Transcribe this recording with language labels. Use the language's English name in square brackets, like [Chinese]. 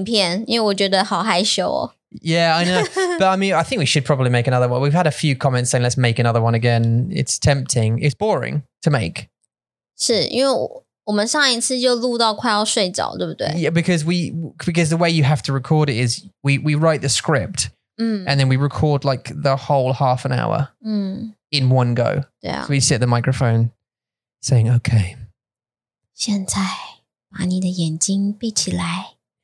[Chinese] 的影片。我现在还是不想要听那个影片，因为我觉得好害羞哦。 [English] Yeah, I know. But I mean, I think we should probably make another one. We've had a few comments saying let's make another one again. It's tempting. It's boring to make. [Chinese] 是因为我们上一次就录到快要睡着，对不对？ [English] Yeah, because the way you have to record it is we write the script. And then we record like the whole half an hour in one go. Yeah. So we sit at the microphone saying, okay. [Chinese] 现在把你的眼睛闭起来。